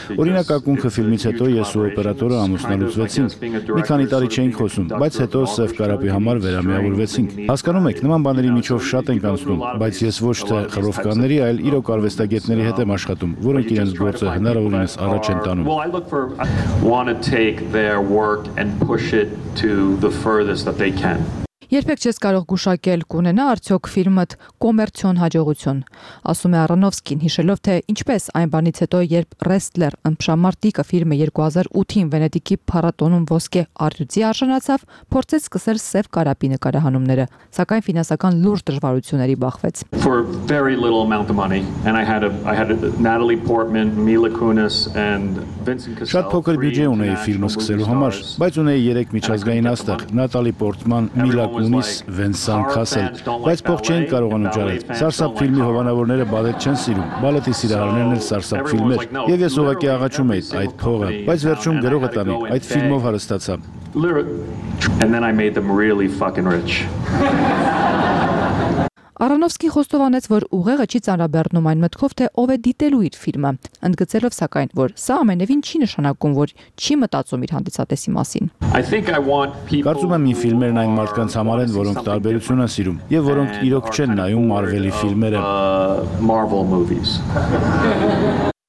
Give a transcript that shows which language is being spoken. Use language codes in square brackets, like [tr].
[hy] օրինակ ակունքը ֆիլմից հետո ես ու օպերատորը ամուսնալուծվեցինք, մի քանի տարի չենք խոսում, բայց հետո սև կարապի համար վերամիավորվեցինք, հասկանում եք, նման բաների միջով շատ ենք անցնում, բայց ես ոչ թե խրովկանների, այլ իրոք արվեստագետների հետ եմ աշխատում, որոնք իրենց գործը հնարավորինս առաջ են տանում. [en] Want to take their work and push it to the furthest that they can. [hy] Երբեք չես կարող գուշակել, կունենա արդյոք ֆիլմդ կոմերցիոն հաջողություն, ասում է Արոնովսկին, հիշելով, թե ինչպես այն բանից հետո, երբ Ռեստլեր ընփշամարտիկը ֆիլմը 2008-ին Վենետիկի փառատոնում ոսկե արդյունքի արժանացավ, փորձեց սկսել սև կարապի նկարահանումները, սակայն ֆինանսական լուրջ դժվարությունների բախվեց. [en] For very little amount of money and I had Natalie Portman, Mila Kunis and Vincent Cassel. [hy] Շատ փոքր բյուջե ունեի ֆիլմը սկսելու համար, բայց ունեի 3 միջազգային աստղ, Natalie Portman, Mila Kunis, Vincent Cassel, բայց փող չեն կարողանում ջարդել։ Սարսափ ֆիլմի հովանավորները բալետ չեն սիրում, բալետի սիրահարներն էլ սարսափ ֆիլմեր, եւ ես ուղղակի աղաչում էի այդ փողը, բայց վերջում գրողը տանի, այդ ֆիլմով հարստացա։ [en] And then I made them really fucking rich. [hy] Արոնովսկի խոստովանեց, որ ուղեղը չի ծանրաբեռնում այն մտքով, թե ով է դիտելու իր ֆիլմը, ընդգծելով սակայն, որ սա ամենևին չի նշանակում, որ չի մտածում իր հանդիսատեսի մասին։ Կարծում եմ, մի ֆիլմերն այն մարդկանց համար են, որոնք տարբերություն են սիրում եւ որոնք իրոք չեն նայում Marvel-ի ֆիլմերը։